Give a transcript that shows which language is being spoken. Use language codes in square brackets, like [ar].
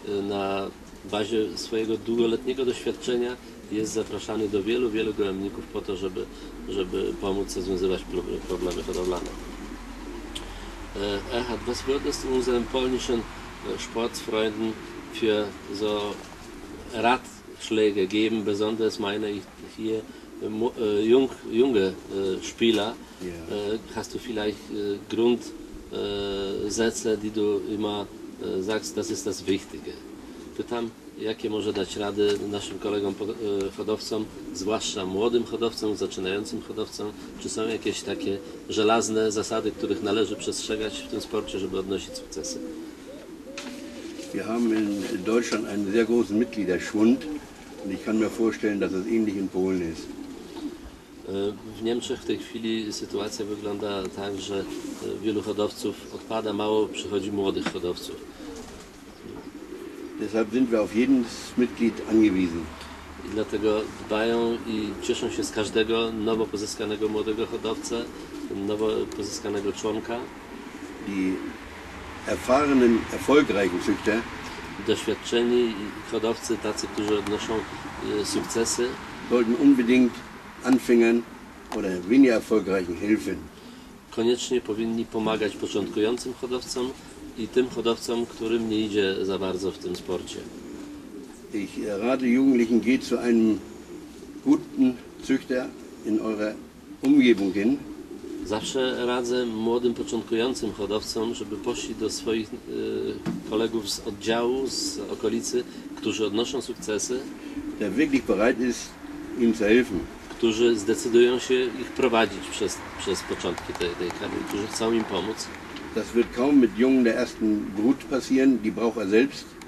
[pl] Na bazie swojego długoletniego doświadczenia jest zapraszany do wielu, wielu gołębników po to, żeby pomóc rozwiązywać problemy hodowlane. [de] Erhard, was würdest du unseren polnischen Sportfreunden für so Ratschläge geben, besonders meine ich hier junge Spieler? Yeah. Hast du vielleicht Grundsätze, die du immer sagst, das ist das Wichtige? [pl] Pytam, jakie może dać rady naszym kolegom hodowcom, zwłaszcza młodym hodowcom, zaczynającym hodowcom, czy są jakieś takie żelazne zasady, których należy przestrzegać w tym sporcie, żeby odnosić sukcesy? [de] Wir haben in Deutschland einen sehr großen Mitgliederschwund und ich kann mir vorstellen, dass es ähnlich in Polen ist. [pl] W Niemczech w tej chwili sytuacja wygląda tak, że wielu hodowców odpada, mało przychodzi młodych hodowców. [de] Deshalb sind wir auf jedes Mitglied angewiesen. [pl] i dlatego dbają i cieszą się z każdego nowo pozyskanego młodego hodowcę, nowo pozyskanego członka. [de] Die erfahrenen, erfolgreichen Züchter. [pl] Doświadczeni hodowcy, tacy, którzy odnoszą sukcesy, [de] sollten unbedingt Anfängern oder weniger erfolgreichen helfen. [pl] Koniecznie powinni pomagać początkującym hodowcom i tym hodowcom, którym nie idzie za bardzo w tym sporcie. [de] Ich rate Jugendlichen, geht zu einem guten Züchter in eurer Umgebung hin. [pl] Zawsze radzę młodym początkującym hodowcom, żeby poszli do swoich kolegów z oddziału, z okolicy, którzy odnoszą sukcesy, [de] der wirklich bereit ist, ihm zu helfen. [pl] Którzy zdecydują się ich prowadzić przez początki tej kariery, którzy chcą im pomóc. [de] Das wird kaum mit Jungen der ersten Brut passieren, die braucht er selbst.